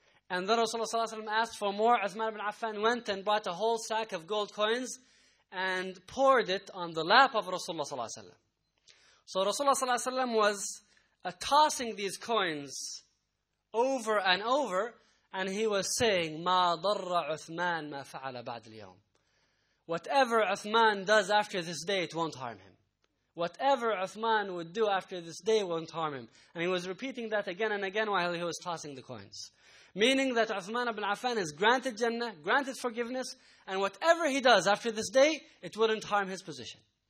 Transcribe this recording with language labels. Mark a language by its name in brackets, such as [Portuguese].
[English] And then Rasulullah ﷺ asked for more. Uthman ibn Affan went and brought a whole sack of gold coins and poured it on the lap of Rasulullah ﷺ. So Rasulullah ﷺ was tossing these coins over and over. And he was saying, [Arabic] مَا ضَرَّ عُثْمَانَ مَا فَعَلَ بَعْدَ الْيَوْمِ. [English] Whatever Uthman does after this day, it won't harm him. Whatever Uthman would do after this day won't harm him. And he was repeating that again and again while he was tossing the coins. Meaning that Uthman ibn Affan is granted Jannah, granted forgiveness, and whatever he does after this day, it wouldn't harm his position.